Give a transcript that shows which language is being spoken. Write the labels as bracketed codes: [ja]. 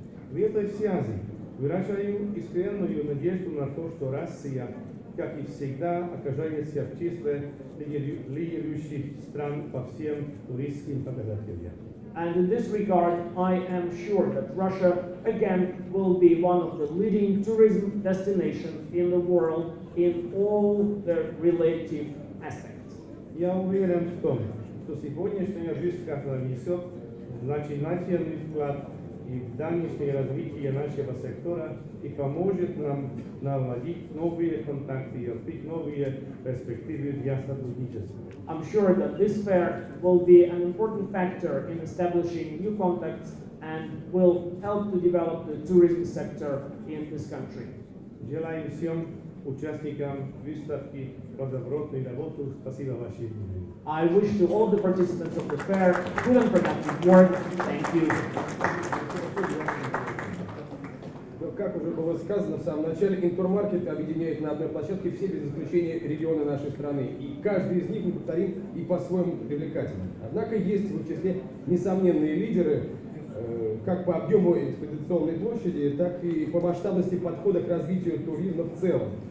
[ru] В этой связи выражаю искреннюю надежду на то, что Россия, как и всегда, окажется в числе лидирующих стран по всем туристским показателям. [en] And in this regard, I am sure that Russia, again, will be one of the leading tourism destinations in the world in all the relative aspects. [ru] Я уверен в том, что сегодняшняя жизнь Казахстана несет значительный вклад и в дальнейшее развитие нашего сектора и поможет нам наладить новые контакты и открыть новые перспективы для сотрудничества. [en] I'm sure that this fair will be an important factor in establishing new contacts and will help to develop the tourism sector in this country. [ru] Желаем всем участникам выставки плодотворной работы. Спасибо ваше внимание. [en] I wish to all the participants of the fair good and productive work. Thank you. [ru] Как уже было сказано в самом начале, Интурмаркет объединяет на одной площадке все без исключения регионы нашей страны. И каждый из них, мы повторим, и по-своему привлекательный. Однако есть в числе несомненные лидеры, как по объему экспозиционной площади, так и по масштабности подхода к развитию туризма в целом.